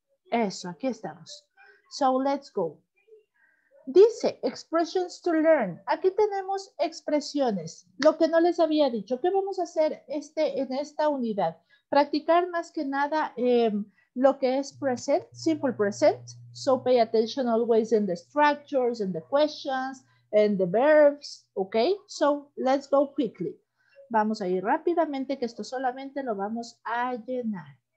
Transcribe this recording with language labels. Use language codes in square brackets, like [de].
[es] Eso, aquí estamos. [en] So, let's go. [es] Dice, [en] expressions to learn. [es] Aquí tenemos expresiones. Lo que no les había dicho. ¿Qué vamos a hacer en esta unidad? Practicar más que nada lo que es present, simple present. [en] So pay attention always in the structures, in the questions, in the verbs. Ok, so let's go quickly. [es] Vamos a ir rápidamente que esto solamente lo vamos a llenar.